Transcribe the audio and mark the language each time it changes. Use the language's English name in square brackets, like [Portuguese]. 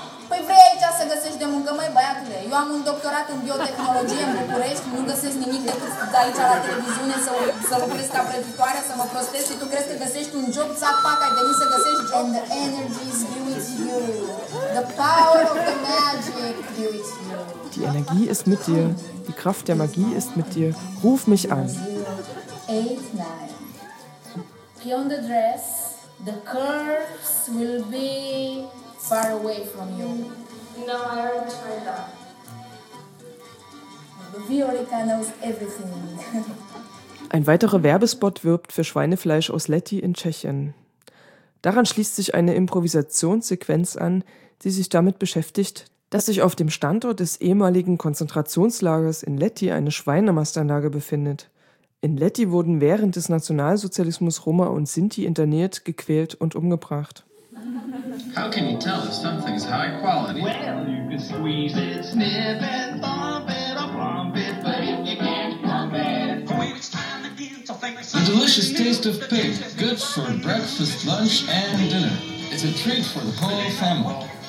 [Romanian] Păi vrei aici să găsești de muncă, măi băiatule? Eu am un doctorat în biotehnologie în București, nu găsesc nimic decât aici la televiziune să lucrez ca prăjitoare, să mă prostesc și tu crezi că găsești un job, țapac, ai venit să găsești job. [English] And the energy is due with you. The power of the magic due with you. [German] Die Energie ist mit dir. Die Kraft der Magie ist mit dir. Ruf mich an. [English] 8, 9. Beyond the dress, the curves will be... far away from you. No, I already tried that. Viorica knows everything. [German] Ein weiterer Werbespot wirbt für Schweinefleisch aus Letti in Tschechien. Daran schließt sich eine Improvisationssequenz an, die sich damit beschäftigt, dass sich auf dem Standort des ehemaligen Konzentrationslagers in Letti eine Schweinemastanlage befindet. In Letti wurden während des Nationalsozialismus Roma und Sinti interniert, gequält und umgebracht. [English] How can you tell if something's high quality? Well, you can squeeze it, snip it, bump it, or plump it, but you can't plump it. For me, it's time to give something. The delicious taste of pig, good for breakfast, lunch, and dinner. It's a treat for the whole family.